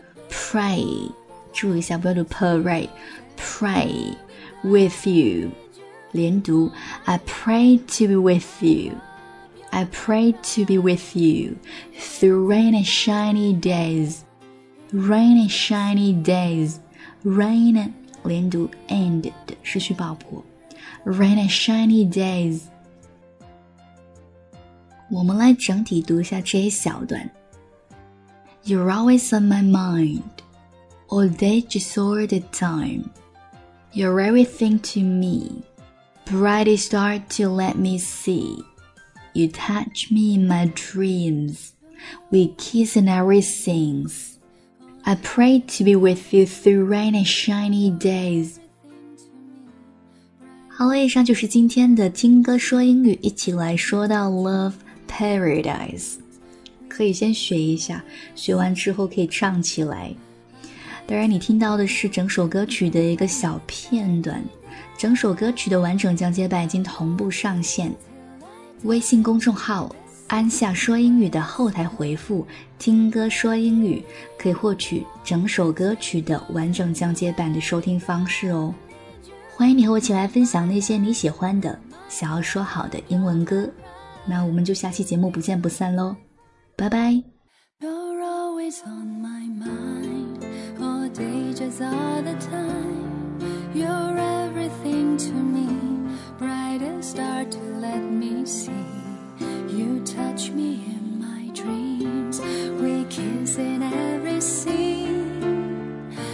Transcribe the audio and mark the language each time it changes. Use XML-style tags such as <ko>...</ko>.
<en>Pray,</en> <zh>注意一下不要读</zh> <en>pray, pray with you,</en> <zh>连读</zh> <en>I pray to be with you. I pray to be with you through rain and shiny days. Rain and shiny days. Rain</en> <zh>连读</zh> <en>and</en> <zh>失去爆破</zh> <en>rain and shiny days.</en> <zh>我们来整体读一下这一小段。 You're always on my mind, all day just all the time. You're everything to me, brightest star to let me see. You touch me in my dreams, we kiss and everything. I pray to be with you through rain and shiny days. 好了，以上就是今天的听歌说英语，一起来说到 Love Paradise， 可以先学一下，学完之后可以唱起来。当然你听到的是整首歌曲的一个小片段，整首歌曲的完整讲解版已经同步上线，微信公众号安夏说英语的后台回复听歌说英语，可以获取整首歌曲的完整讲解版的收听方式哦。欢迎你和我一起来分享那些你喜欢的、想要说好的英文歌。那我们就下期节目不见不散咯，拜拜。</zh> <en>You're always on my mind, all day just all the time. You're everything to me, brightest star to let me see. You touch me in my dreams, we kiss in every scene.</en>